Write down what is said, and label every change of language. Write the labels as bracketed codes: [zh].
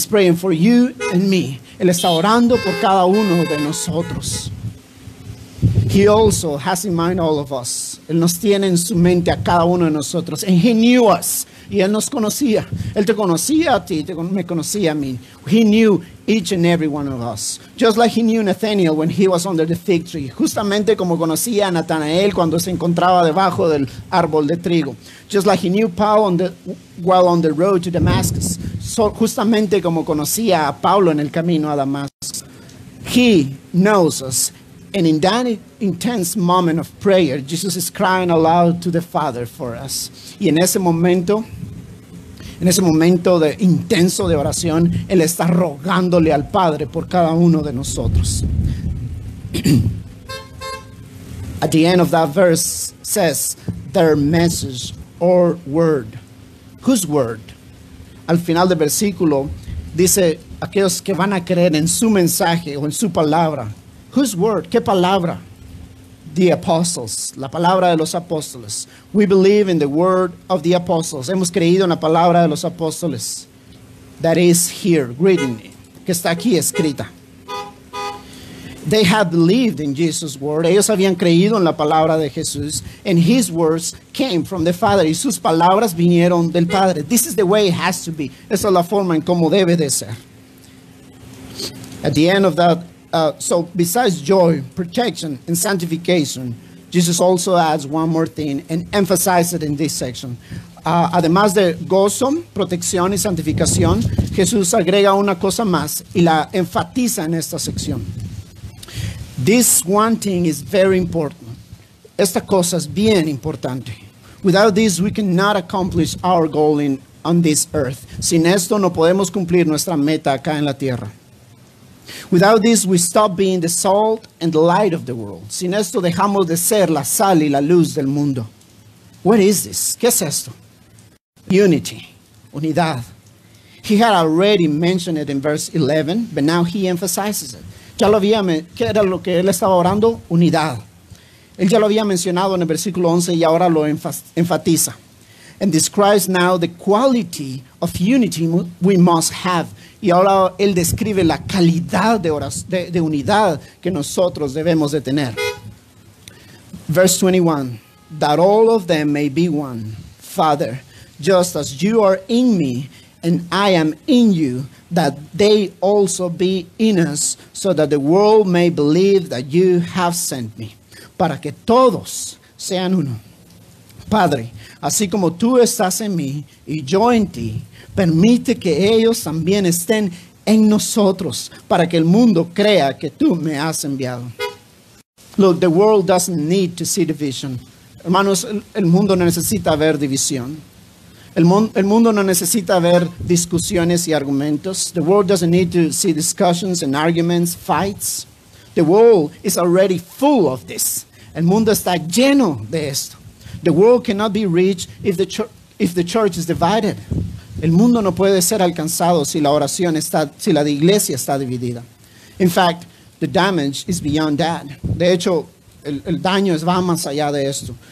[en] He's praying for you and me. [es] Él está orando por cada uno de nosotros. [en] He also has in mind all of us. [es] Él nos tiene en su mente a cada uno de nosotros. [en] And he knew us. [es] Y él nos conocía. Él te conocía a ti. Me conocía a mí. [en] He knew each and every one of us. Just like he knew Nathaniel when he was under the fig tree. [es] Justamente como conocía a Natanael cuando se encontraba debajo del árbol de trigo. [en] Just like he knew Paul while on the road to Damascus. [es] So, justamente como conocía a Pablo en el camino a Damasco. [en] He knows us. And in that intense moment of prayer, Jesus is crying aloud to the Father for us. [es] Y en ese momento de intenso de oración, Él está rogándole al Padre por cada uno de nosotros. [en] At the end of that verse says, their message or word. Whose word? [es] Al final del versículo, dice, aquellos que van a creer en su mensaje o en su palabra. [en] Whose word? [es] ¿Qué palabra? [en] The apostles. [es] La palabra de los apóstoles. [en] We believe in the word of the apostles. [es] Hemos creído en la palabra de los apóstoles. [en] That is here, written. [es] Que está aquí escrita. [en] They had believed in Jesus' word. [es] Ellos habían creído en la palabra de Jesús. [en] And his words came from the Father. [es] Y sus palabras vinieron del Padre. [en] This is the way it has to be. [es] Esa es la forma en cómo debe de ser. [en] At the end of that, So besides joy, protection, and sanctification, Jesus also adds one more thing and emphasizes it in this section. [es] Además de gozo, protección y santificación, Jesús agrega una cosa más y la enfatiza en esta sección. [en] This one thing is very important. [es] Esta cosa es bien importante. [en] Without this, we cannot accomplish our goal on this earth. [es] Sin esto, no podemos cumplir nuestra meta acá en la tierra. [en] Without this, we stop being the salt and the light of the world. [es] Sin esto, dejamos de ser la sal y la luz del mundo. [en] What is this? [es] ¿Qué es esto? [en] Unity. Unidad. He had already mentioned it in verse 11, but now he emphasizes it. [es] Ya lo había, ¿qué era lo que él estaba orando? Unidad. Él ya lo había mencionado en el versículo 11 y ahora lo enfatiza. [en] And describes now the quality of unity we must have. [es] Y ahora él describe la calidad de unidad que nosotros debemos de tener. [en] Verse 21. That all of them may be one. Father, just as you are in me and I am in you, that they also be in us, so that the world may believe that you have sent me. [es] Para que todos sean uno. Padre, así como tú estás en mí y yo en ti, permite que ellos también estén en nosotros para que el mundo crea que tú me has enviado. [en] Look, the world doesn't need to see division. [es] Hermanos, el mundo no necesita ver división. El mundo no necesita ver discusiones y argumentos. [en] The world doesn't need to see discussions and arguments, fights. The world is already full of this. [es] El mundo está lleno de esto. [en] The world cannot be reached if the church is divided. [es] El mundo no puede ser alcanzado si la iglesia está dividida. [en] In fact, the damage is beyond that. [es] De hecho, el daño va más allá de esto.